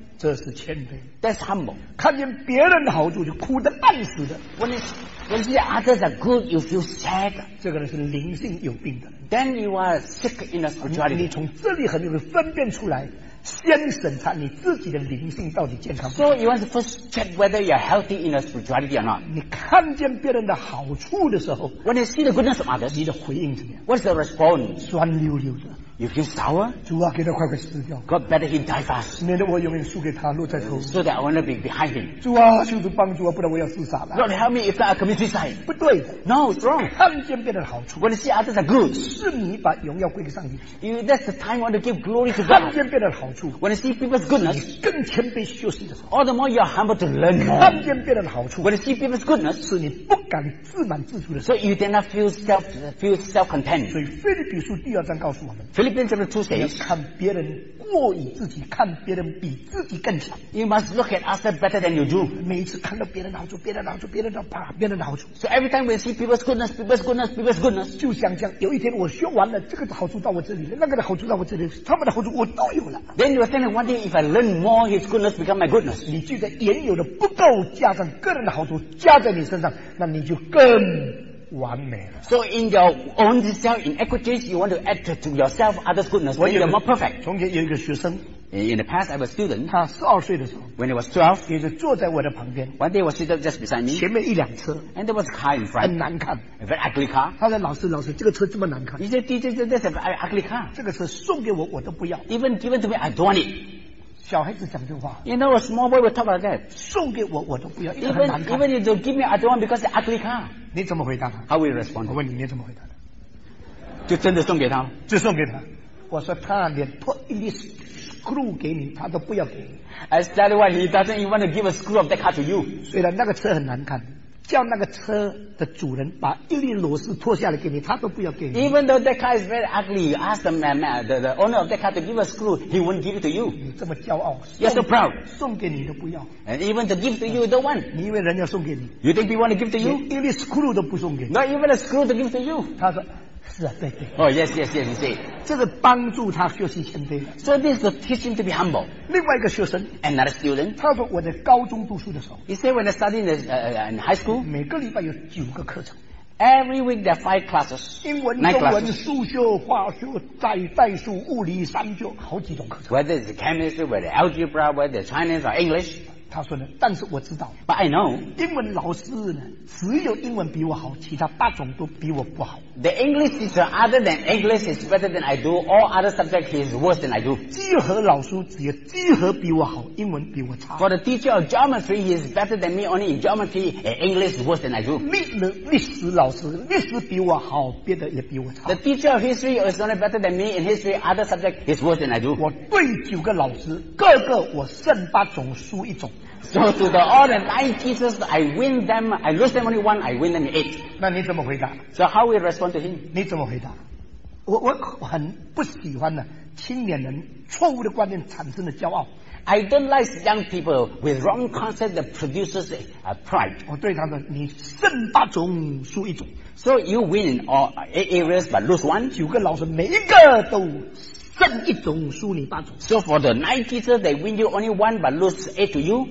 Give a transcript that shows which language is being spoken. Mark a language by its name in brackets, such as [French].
[Chinese] 这是谦卑。 [English] That's humble. [Chinese] 看见别人的好处就哭得半死的。 [English] When you see others are good, you feel sad. [Chinese] 这个人是灵性有病的。 [English] Then you are sick in the spirituality. [Chinese] 你从这里很容易分辨出来。先审查你自己的灵性到底健康。 [English] So you want to first check whether you're healthy in a spirituality or not. [Chinese] 你看见别人的好处的时候 [English] ，When you see the goodness of others, [Chinese] 你的回应怎么样 [English] ？What's the response? [Chinese] 酸溜溜的。 [English] You feel sour? [Chinese] 主啊，给他快快死掉。 [English] God better him die fast. [Chinese] 免得我永远输给他，落在头。 [English] So that I want to be behind him. [Chinese] 主啊，求主帮助我，不然我要自杀了。 [English] Lord, help me if I commit suicide. [Chinese] 不对 [English] ，No, it's wrong. [Chinese] 看见别人的好处 [English] ，When you see others are good, [Chinese] 是你把荣耀归给上帝。 [English] You, that's the time I want to give glory to God. [Chinese] 看见别人的好处 [English] ，When you see people's goodness, [Chinese] 更谦卑修行的时候 [English] ，All the more you are humble to learn more. [Chinese] 看见别人的好处 [English] ，When you see people's goodness, [Chinese] 是你不敢自满自足的时候 [English] ，So you dare not feel self content. [Chinese] 所以腓立比书第二章告诉我们。看别人过于自己，看别人比自己更强。 [English] You must look at others better than you do. [Chinese] 每一次看到别人的好处，别人的好处，别人的怕，别人的好处。 [English] So every time we see people's goodness, people's goodness, people's goodness, [Chinese] 就想象有一天我学完了，这个好处到我这里了，那个的好处到我这里，他们的好处我都有了。 [English] Then you are thinking one day if I learn more, his goodness become my goodness. [Chinese] 你觉得原有的不够，加上个人的好处加在你身上，那你就更。完美了。 [English] So in your own self inequities, you want to add to yourself other's goodness. When you're more perfect. [Chinese] 从前有一个学生。 [English] In the past, I was a student. [Chinese] 他12岁的时候。 [English] When he was 12, [Chinese] 也就坐在我的旁边。 [English] One day, he was sitting just beside me. [Chinese] 前面一辆车。 [English] And there was a car in front. [Chinese] 很难看。 [English] A very ugly car. [Chinese] 他说：“老师，老师，这个车这么难看。 [English] ”He said, "DJ, that's a very ugly car." [Chinese] 这个车送给我都不要。 [English] Even given to me, I don't want it. [Chinese] 小孩子讲这话 [English] ，You know a small boy will talk like that. [Chinese] 送给我都不要，因为很难看。 [English] Even if you give me, I don't want because it's ugly car. [Chinese] 你怎么回答他 [English] ？How will you respond? [Chinese] 我问你，你怎么回答的？就真的送给他吗？就送给他。我说他连 [English] put in this screw [Chinese] 给你，他都不要给你。 [English] I said why he doesn't even want to give a screw of that car to you. [Chinese] 虽然那个车很难看。叫那个车的主人把一粒螺丝脱下来给你，他都不要给你。 [English] Even though that car is very ugly, you ask the owner of that car to give a screw, he won't give it to you. [Chinese] 你这么骄傲 [English] ，You're so proud. [Chinese] 送给你都不要。 [English] And even to give to you, you don't want. [Chinese] 你以为人家送给你 [English] ？You think people want to give to you? [Chinese] 一粒 screw 都不送给你。 [English] Not even a screw to give to you. [Chinese] 他说。是啊，对对。 [English] Oh, yes, you see. [Chinese] 这是帮助他学习谦卑。 [English] So this is teach him to be humble. [Chinese] 另外一个学生 [English] ，another student. [Chinese] 他说我在高中读书的时候 [English] ，He said when I studied in high school. [Chinese] 每个礼拜有九个课程。 [English] Every week there are five classes. [Chinese] 英文、中文、数学、化学、代数、物理三就好几种课程。 [English] Whether it's chemistry, whether algebra, whether Chinese or English. [Chinese] 他说呢，但是我知道 [English] ，But I know. [Chinese] 英文老师呢，只有英文比我好，其他八种都比我不好。 [English] The English teacher, other than English, is better than I do. All other subjects, he is worse than I do. [Chinese] 几何老师只有几何比我好，英文比我差。 [English] For the teacher of geometry, he is better than me. Only in geometry, English is worse than I do. [Chinese] 历史老师历史比我好，别的也比我差。 [English] The teacher of history is only better than me in history. Other subjects, he is worse than I do. [Chinese] 我对九个老师，个个我胜八种，输一种。 [English] So to the all the nine teachers, I win them, I lose them only one, I win them eight. [Chinese] 那你怎么回答 [English] ？So how we respond to him? [Chinese] 你怎么回答？我很不喜欢呢，青年人错误的观念产生的骄傲。 [English] I don't like young people with wrong concept that produces a pride. [Chinese] 我对他说，你胜八种，输一种。 [English] So you win in all eight areas but lose one. [Chinese] 九个老师每一个都。胜一种输你八种。 [English] So for the nine teachers, they win you only one, but lose eight to you.